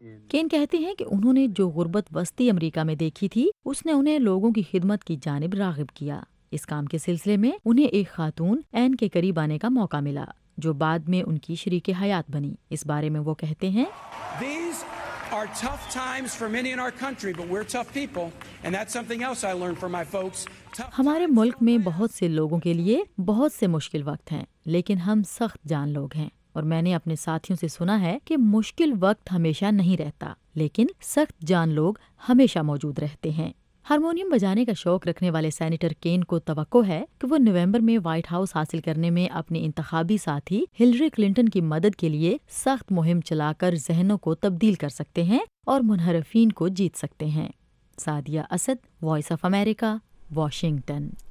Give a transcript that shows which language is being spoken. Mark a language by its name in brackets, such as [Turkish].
[Urdu] Can کہتے ہیں کہ انہوں نے جو غربت وسطی امریکہ میں دیکھی تھی اس نے انہیں لوگوں کی خدمت کی جانب راغب کیا۔ اس کام کے سلسلے میں انہیں ایک خاتون این کے قریب آنے کا موقع ملا جو بعد میں ان کی شریک حیات بنی۔ اس بارے میں وہ کہتے ہیں، [English] are tough times for many in our country, but we're tough people and that's something else I learned from my folks. [Urdu] ہمارے ملک میں بہت سے لوگوں کے لیے بہت سے مشکل وقت ہیں، لیکن ہم سخت جان لوگ ہیں، اور میں نے اپنے ساتھیوں سے سنا ہے کہ مشکل وقت ہمیشہ نہیں رہتا لیکن سخت جان لوگ ہمیشہ موجود رہتے ہیں۔ ہارمونیم بجانے کا شوق رکھنے والے سینیٹر کین کو توقع ہے کہ وہ نومبر میں وائٹ ہاؤس حاصل کرنے میں اپنے انتخابی ساتھی ہلری کلنٹن کی مدد کے لیے سخت مہم چلا کر ذہنوں کو تبدیل کر سکتے ہیں اور منحرفین کو جیت سکتے ہیں۔ Sadia Asad, voice of America, Washington.